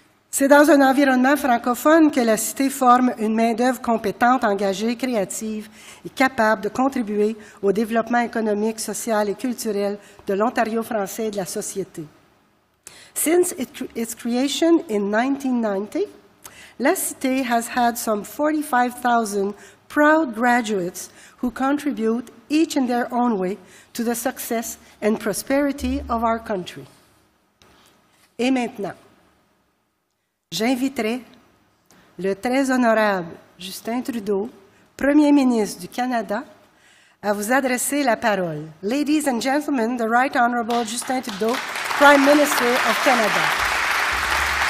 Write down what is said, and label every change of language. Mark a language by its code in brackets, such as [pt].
[fr] C'est dans un environnement francophone que la cité forme une main-d'œuvre compétente, engagée, créative et capable de contribuer au développement économique, social et culturel de l'Ontario français et de la société. [en] Since its creation in 1990, la cité has had some 45,000 proud graduates who contribute each in their own way to the success and prosperity of our country. [fr] Et maintenant, j'inviterai le très honorable Justin Trudeau, Premier ministre du Canada, à vous adresser la parole. [en] Ladies and gentlemen, the Right Honorable Justin Trudeau, Prime Minister of Canada.